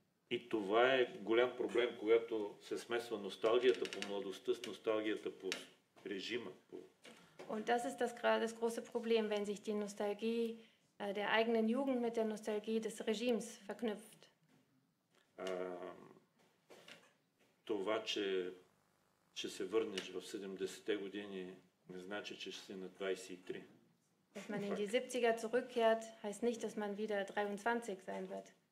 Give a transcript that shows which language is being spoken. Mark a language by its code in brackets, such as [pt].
[bg] И това е голям проблем, когато се смесва носталгията по младостта с носталгията по режима. [de] Und das ist das große Problem, wenn sich die Nostalgie der eigenen Jugend mit der Nostalgie des Regimes verknüpft. [bg] Това, че се върнеш в 70-те години, не значи, че си на 23. [de] Dass man in die 70er zurückkehrt, heißt nicht, dass man wieder 23 sein wird.